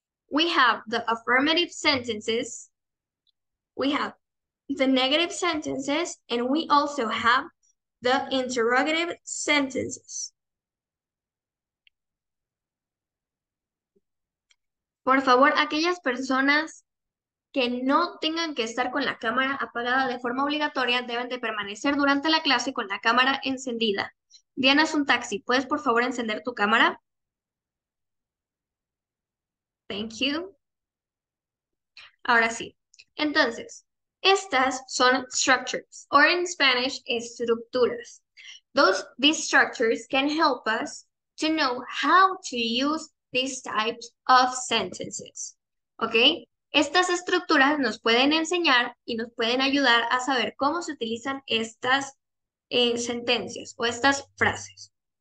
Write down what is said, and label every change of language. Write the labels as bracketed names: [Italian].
[English] We have the affirmative sentences, we have the negative sentences, and we also have the interrogative sentences. [Spanish] Por favor, aquellas personas que no tengan que estar con la cámara apagada de forma obligatoria deben de permanecer durante la clase con la cámara encendida. Diana es un taxi, ¿puedes por favor encender tu cámara? [English] Thank you. [Spanish] Ahora sí. Entonces, estas son structures, [English] or in Spanish, [Spanish] estructuras. [English] These structures can help us to know how to use these types of sentences. ¿Ok? [Spanish] Estas estructuras nos pueden enseñar y nos pueden ayudar a saber cómo se utilizan estas sentencias o estas frases.